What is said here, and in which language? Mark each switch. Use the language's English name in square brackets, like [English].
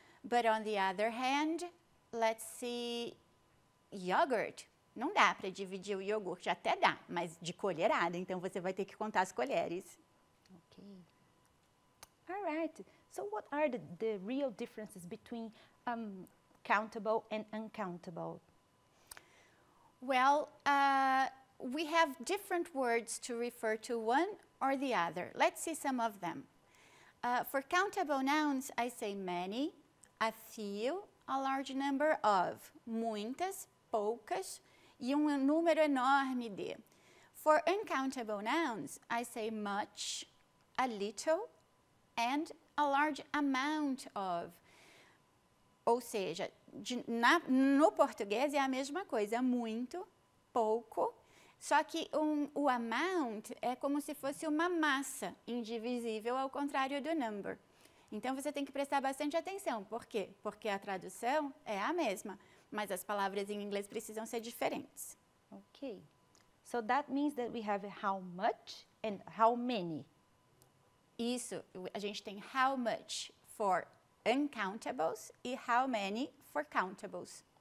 [English] But on the other hand, let's see, yogurt, [Portuguese] Não dá para dividir o iogurte, até dá, mas de colherada, então você vai ter que contar as colheres. [English] Ok. All right. So what are the real differences between countable and uncountable? Well, we have different words to refer to one or the other. Let's see some of them. For countable nouns, I say many, a few, a large number of, [Portuguese] muitas, poucas, e número enorme de. [English] For uncountable nouns, I say much, a little, and a large amount of. [Portuguese] Ou seja, no português é a mesma coisa, muito, pouco, só que o amount é como se fosse uma massa indivisível, ao contrário do number. Então, você tem que prestar bastante atenção. Por quê? Porque a tradução é a mesma, mas as palavras em inglês precisam ser diferentes. [English] Ok. So, that means that we have how much and how many. [Portuguese] Isso. A gente tem [English] how much for uncountables e how many for countables.